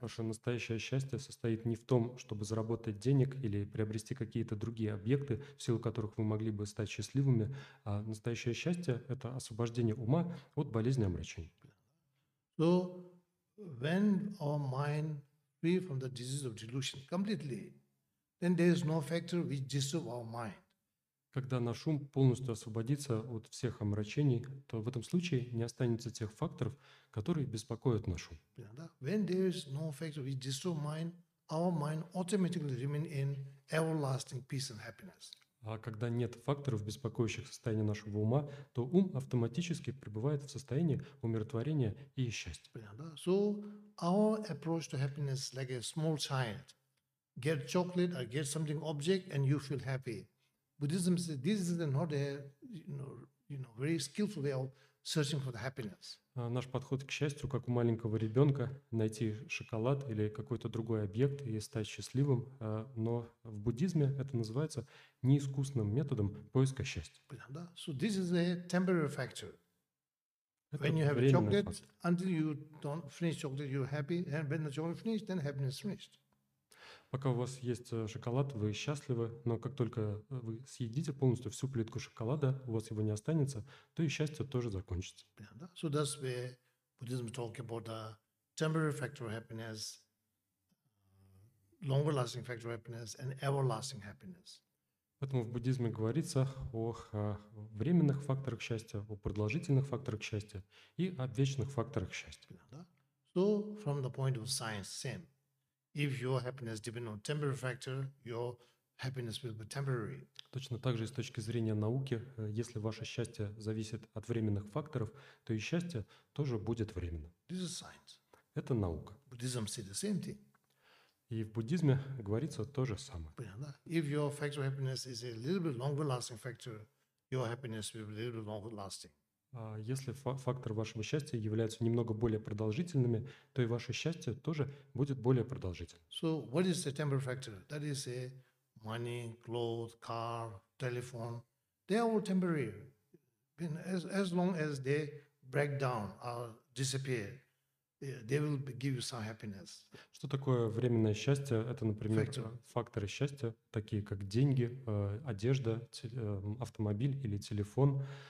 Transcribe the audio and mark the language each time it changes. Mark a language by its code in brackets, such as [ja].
[ru] Ваше настоящее счастье состоит не в том, чтобы заработать денег или приобрести какие-то другие объекты, в силу которых вы могли бы стать счастливыми, а настоящее счастье – это освобождение ума от болезни омрачения. [en] So, when our mind free from the disease of delusion completely, then there is no factor which disturbs our mind. [ru] Когда наш ум полностью освободится от всех омрачений, то в этом случае не останется тех факторов, которые беспокоят наш ум. [en] When there is no factor which disturbs mind, our mind automatically remains in everlasting peace and happiness. [ru] А когда нет факторов, беспокоящих состояние нашего ума, то ум автоматически пребывает в состоянии умиротворения и счастья. [en] So our approach to happiness is like a small child. Get chocolate or get something object and you feel happy. Buddhism says this is not a very skillful way of searching for the happiness. [ru] Наш подход к счастью, как у маленького ребенка, найти шоколад или какой-то другой объект и стать счастливым, но в буддизме это называется неискусным методом поиска счастья. [en] So this is a temporary factor. When you have chocolate, until you don't finish chocolate, you're happy, and when the chocolate finished, then happiness finished. [ru] Пока у вас есть шоколад, вы счастливы, но как только вы съедите полностью всю плитку шоколада, у вас его не останется, то и счастье тоже закончится. [en] So that's where Buddhism talks about the temporary factor of happiness, longer-lasting factor of happiness, and everlasting happiness. [ru] Поэтому в буддизме говорится о временных факторах счастья, о продолжительных факторах счастья и о вечных факторах счастья. [en] So from the point of science, same. If your happiness depends on temporary factor, your happiness will be temporary. [ru] Точно так же и с точки зрения науки, если ваше счастье зависит от временных факторов, то и счастье тоже будет временно. [en] This is science. [ru] Это наука. [en] Buddhism says the same thing. [ru] И в буддизме говорится то же самое. [en] If your factor of happiness is a little bit longer lasting factor, your happiness will be a little bit longer lasting. [ru] Если фактор вашего счастья является немного более продолжительными, то и ваше счастье тоже будет более продолжительным. [en] So what is the temporary factor? That is a money, clothes, car, telephone. They are all temporary. As long as they break down or disappear, they will give you some happiness. [ru] Что такое временное счастье? Это, например, факторы счастья, такие как деньги, одежда, автомобиль или телефон.